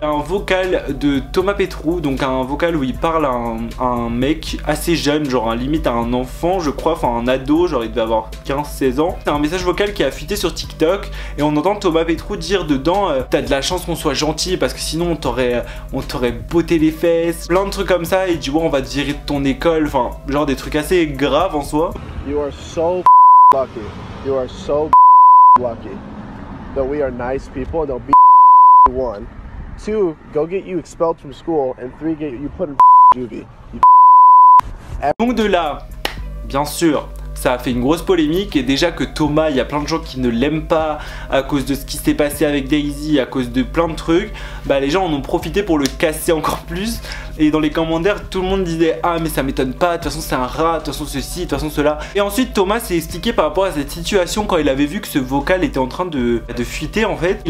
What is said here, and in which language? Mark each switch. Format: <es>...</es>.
<fr>Un vocal de Thomas Petrou, donc un vocal où il parle à un mec assez jeune, genre limite à un enfant je crois, enfin un ado, genre il devait avoir 15-16 ans. C'est un message vocal qui a fuité sur TikTok et on entend Thomas Petrou dire dedans t'as de la chance qu'on soit gentil parce que sinon on t'aurait botté les fesses, plein de trucs comme ça, et du coup on va te virer de ton école, enfin genre des trucs assez graves en soi.</fr> <en>You are so lucky, you are so lucky that we are nice people, don't be one. 2, go get you expelled from school, and 3, get you put in juvie.</en> <fr>Donc de là, bien sûr, ça a fait une grosse polémique, et déjà que Thomas, il y a plein de gens qui ne l'aiment pas à cause de ce qui s'est passé avec Daisy, à cause de plein de trucs, bah les gens en ont profité pour le casser encore plus, et dans les commentaires, tout le monde disait « Ah mais ça m'étonne pas, de toute façon c'est un rat, de toute façon ceci, de toute façon cela. » Et ensuite Thomas s'est expliqué par rapport à cette situation quand il avait vu que ce vocal était en train de fuiter en fait.</fr>